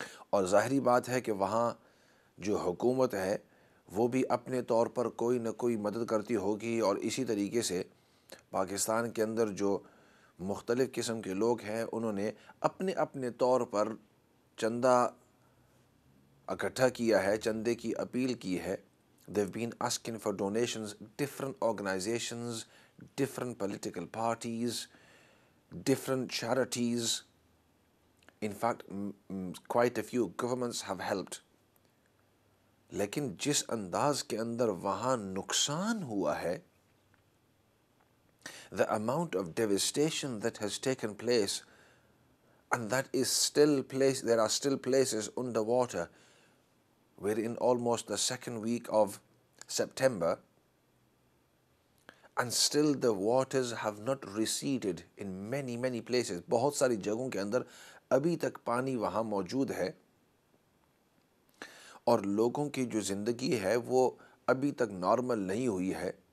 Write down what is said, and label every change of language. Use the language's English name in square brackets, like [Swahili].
[Urdu] اور ظاہری بات ہے کہ وہاں جو حکومت ہے وہ بھی اپنے طور پر کوئی نہ کوئی مدد کرتی ہوگی اور اسی طریقے سے پاکستان کے اندر جو مختلف قسم کے لوگ ہیں انہوں نے اپنے اپنے طور پر چندہ اکٹھا کیا ہے, چندے کی اپیل کی ہے. [English] They've been asking for donations, different organizations, different political parties, different charities. In fact, quite a few governments have helped. [Urdu] لیکن جس انداز کے اندر وہاں نقصان ہوا ہے, [English] the amount of devastation that has taken place, and that is still place, there are still places underwater. We're in almost the second week of September, and still the waters have not receded in many, many places. [Urdu] بہت ساری جگہوں کے اندر ابھی تک پانی وہاں موجود ہے, اور لوگوں کی جو زندگی ہے وہ ابھی تک نارمل نہیں ہوئی ہے.